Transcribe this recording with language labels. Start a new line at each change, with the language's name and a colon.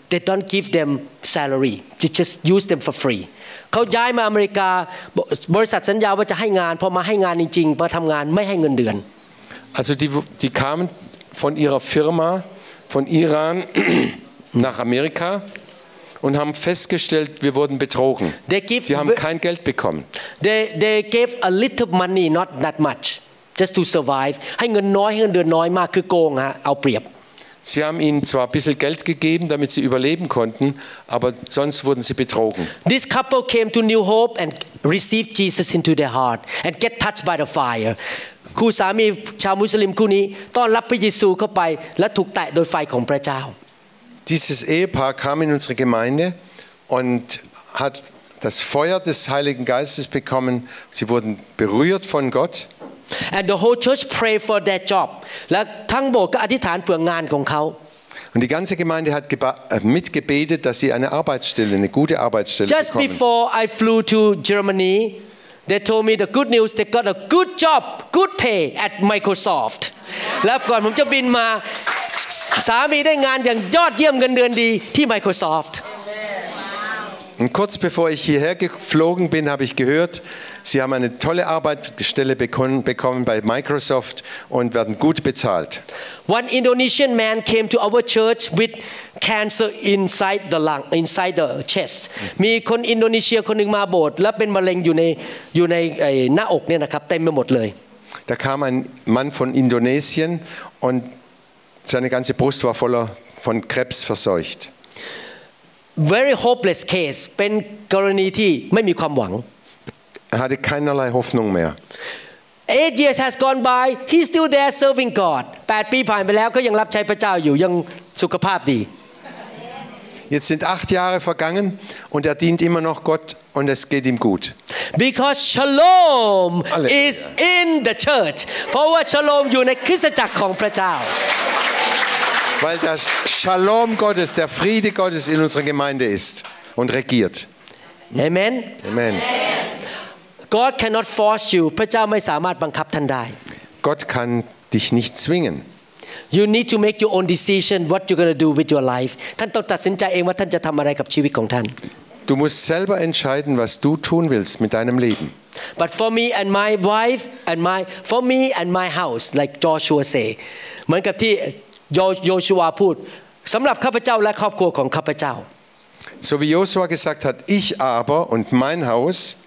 English: They don't give them salary. They just use them for free.
Thai: เขาย้ายมาอเมริกาบริษัทสัญญาว่าจะให้งานพอมาให้งานจริงๆมาทำงานไม่ให้เงินเดือน
German: Also die kamenVon ihrer Firma, von Iran nach Amerika und haben festgestellt, wir wurden betrogen. Sie haben kein Geld bekommen.
English: They gave a little money, not that much, just to survive.
Thai: ให้เงินน้อยให้เงินเดือนน้อยมากคือโกงฮะเอาเปรียบ
German: Sie haben ihnen zwar ein bisschen Geld gegeben, damit sie überleben konnten, aber sonst wurden sie betrogen.
English: This couple came to New Hope and received Jesus into their heart and get touched by the fire.
Thai: คู่สามีชาวมุสลิมคู่นี้ต้อนรับพระเยซูเข้าไปและถูกแตะโดยไฟของพระเจ้า
German: Dieses Ehepaar kam in unsere Gemeinde und hat das Feuer des Heiligen Geistes bekommen. Sie wurden berührt von Gott.
English: And the whole church prayed for their job.
Thai: และทั้งโบสถ์ก็อธิษฐานเพื่องานของเขา
German: Und die ganze Gemeinde hat mitgebetet, dass sie eine Arbeitsstelle, eine gute Arbeitsstelle bekommen.
English: Just before I flew to Germany. They told me the good news. They got a good job, good pay at Microsoft.
Thai: แล้วก่อนผมจะบินมาสามีได้งานอย่างยอดเยี่ยมเงินเดือนดีที่ Microsoft.
German: Und kurz bevor ich hierher geflogen bin, habe ich gehört, Sie haben eine tolle Arbeitsstelle bekommen bei Microsoft und werden gut bezahlt.
English: One Indonesian man came to our church with cancer inside the lung, inside the chest.
Thai: มีคนอินโดนีเซียคนนึงมาโบสถ์แล้วเป็นมะเร็งอยู่ในไอ้หน้าอกเนี่ยนะครับเต็มไปหมดเลย
German: Da kam ein Mann von Indonesien und seine ganze Brust war voller von Krebs verseucht.
English: Very hopeless case
Thai: เป็นกรณีที่ไม่มีความหวัง
German: hatte keinerlei Hoffnung mehr
English: 8 years has gone by he's still there serving God
Thai: 8ปีผ่านไปแล้วก็ยังรับใช้พระเจ้าอยู่ยังสุขภาพดี
German: Jetzt sind 8 Jahre vergangen und dient immer noch Gott und es geht ihm gut
English: Because Shalom is in the church for Shalom
Thai: อยู่ในคริสตจักรของพระเจ้า
German: weil der Shalom Gottes, der Friede Gottes in unserer Gemeinde ist und regiert. Amen. Amen.
English: God cannot force you.
Thai: พระเจ้าไม่สามารถบังคับท่านได้
German: Gott kann dich nicht zwingen.
English: You need to make your own decision what you're going to do with your life.
Thai: ท่านต้องตัดสินใจเองว่าท่านจะทำอะไรกับชีวิตของท่าน
German: Du musst selber entscheiden, was du tun willst mit deinem Leben.
English: But for me and my wife and my for me and my house like Joshua say.
Thai: เหมือนกับที่Joshua พูดสำหรับข้าพเจ้าและครอบครัวของข้าพเจ้า
German: So wie Joshua gesagt hat ich aber und mein Haus